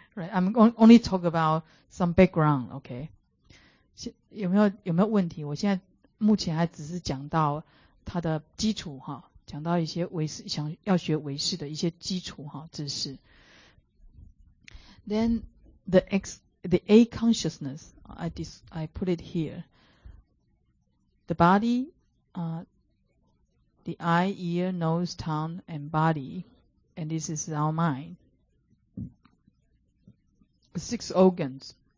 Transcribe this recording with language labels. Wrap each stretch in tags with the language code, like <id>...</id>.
<en>Right, I'm only talk about some background, okay?</en> <zh>有没有问题？我现在目前还只是讲到它的基础哈，讲到一些唯识，想要学唯识的一些基础哈知识。</zh> <en>Then the A consciousness, I put it here. The body, the eye, ear, nose, tongue, and body, and this is our mind. The six organs,</en>